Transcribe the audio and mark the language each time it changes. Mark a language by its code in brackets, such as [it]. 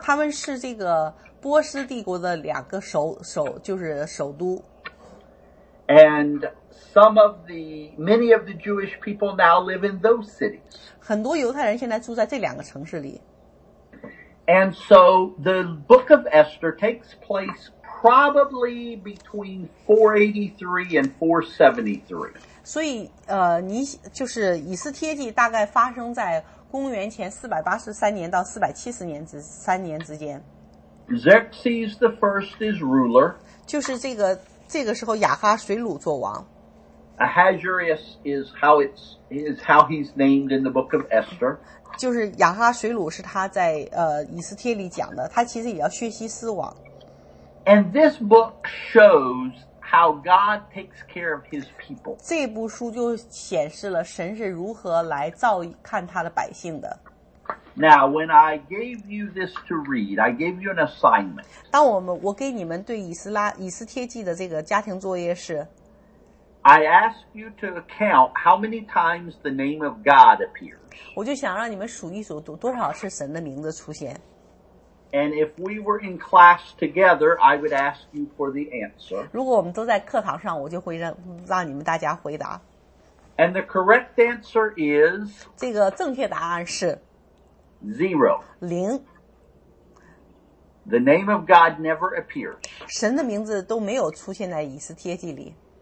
[zh] 他们是这个波斯帝国的两个首就是首都。 [en] And many of the Jewish people now live in those cities. [zh] 很多犹太人现在住在这两个城市里。 [en] And so the book of Esther takes place probably between 483 and 473. [zh] 所以就是以斯帖记大概发生在公元前483年到470年之间。 [en] Xerxes the first is ruler. [zh] 就是这个时候亚哈水鲁做王。 [en] Ahasuerus is how he's named in the book of Esther. [zh] 就是亚哈水鲁是他在以斯帖里讲的，他其实也叫薛西斯王。 [en] And this book shows how God takes care of his people. [zh] 这部书就显示了神是如何来照看他的百姓的。 [en] Now, when I gave you this to read, I gave you an assignment. [zh] 当我给你们对以斯帖记的这个家庭作业是 [en] I asked you to count how many times the name of God appears. [zh] 我就想让你们数一数多少是神的名字出现。 [en] And if we were in class together, I would ask you for the answer. [zh] 如果我们都在课堂上，我就会让你们大家回答。 [en] And the correct answer is [zh] 这个正确答案是 [en] Zero. [zh] 零。 [en] The name of God never appears. [zh] 神的名字都没有出现在以斯帖记里。